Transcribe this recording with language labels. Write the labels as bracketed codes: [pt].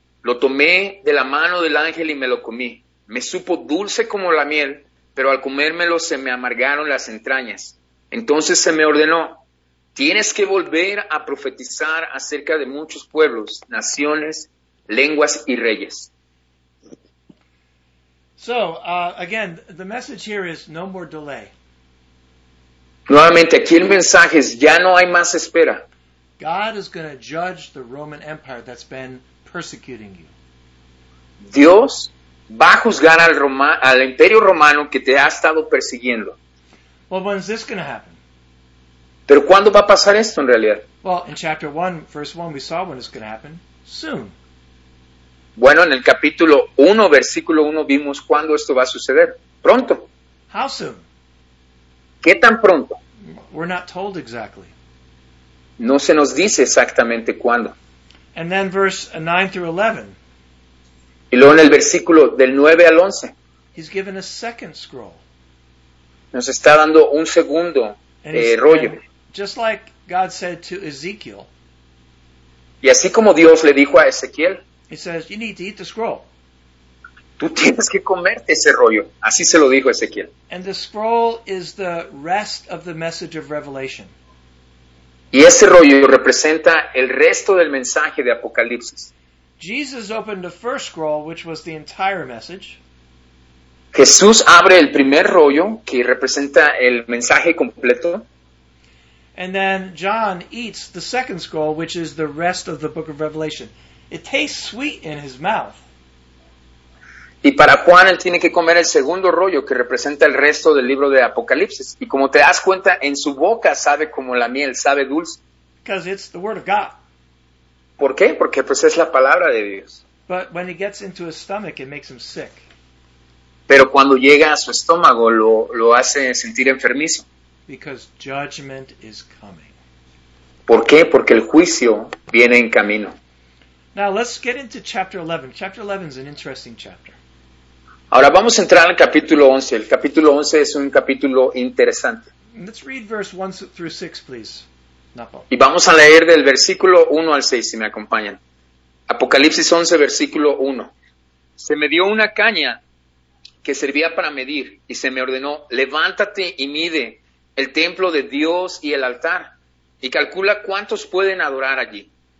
[es] Lo tomé de la mano del ángel y me lo comí. Me supo dulce como la miel, pero al comérmelo se me amargaron las entrañas. Entonces se me ordenó: tienes que volver a profetizar acerca de muchos pueblos, naciones, lenguas y reyes. [en] So, again, the message here is no more delay. [es] Nuevamente, aquí el mensaje es: ya no hay más espera. [en] God is going to judge the Roman Empire that's been persecuting you. [es] Dios va a juzgar al Imperio Romano que te ha estado persiguiendo. [en] Well, when is this going to happen? [es] ¿Pero cuándo va a pasar esto en realidad? [en] Well, in chapter 1, verse 1, we saw when it's going to happen. Soon. [es] Bueno, en el capítulo 1, versículo 1, vimos cuándo esto va a suceder. Pronto. [en] How soon? [es] ¿Qué tan pronto? [en] We're not told exactly. [es] No se nos dice exactamente cuándo. [en] And then verse 9 through 11. [es] Y luego en el versículo del 9 al 11. [en] He's given a second scroll. [es] Nos está dando un segundo rollo. [en] Just like God said to Ezekiel. [es] Y así como Dios le dijo a Ezequiel. [en] He says, you need to eat the scroll. [es] Tú tienes que comerte ese rollo. Así se lo dijo Ezequiel. [en] And the scroll is the rest of the message of Revelation. [es] Y ese rollo representa el resto del mensaje de Apocalipsis. [en] Jesus opened the first scroll, which was the entire message. [es] Jesús abre el primer rollo, que representa el mensaje completo. [en] And then John eats the second scroll, which is the rest of the book of Revelation. It tastes sweet in his mouth. [es] Y para Juan, él tiene que comer el segundo rollo, que representa el resto del libro de Apocalipsis. Y como te das cuenta, en su boca sabe como la miel, sabe dulce. [en] Because it's the word of God. [es] ¿Por qué? Porque pues es la palabra de Dios. [en] But when it gets into his stomach, it makes him sick. [es] Pero cuando llega a su estómago, lo hace sentir enfermizo. [en] Because judgment is coming. [es] ¿Por qué? Porque el juicio viene en camino. [en] Now let's get into chapter 11. Chapter 11 is an interesting chapter. [es] Ahora vamos a entrar al capítulo 11. El capítulo 11 es un capítulo interesante. [en] Let's read verse 1 through 6, please. [es] Y vamos a leer del versículo 1 al 6, si me acompañan. Apocalipsis 11, versículo 1. Se me dio una caña que servía para medir, y se me ordenó: levántate y mide el templo de Dios y el altar, y calcula cuántos pueden adorar allí.